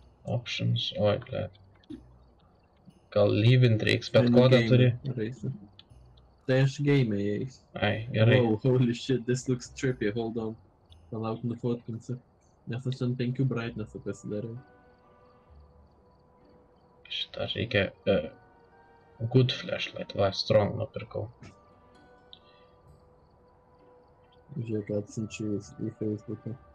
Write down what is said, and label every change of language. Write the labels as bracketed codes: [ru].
[lt] Options, oi, blėt. Gal lyvint reiks, bet kodą turi. Tai aš game įeis. Ai, gerai. [en] Oh, holy shit, this looks trippy, hold on. [lt] Palauk, nufotkinsiu. Nes aš ten 5 brightnessų pasidariau. Šitą reikia... [en] good flashlight, [lt] va, strong nupirkau. Žiūrėk, atsinčiu jūs į Facebook'ą.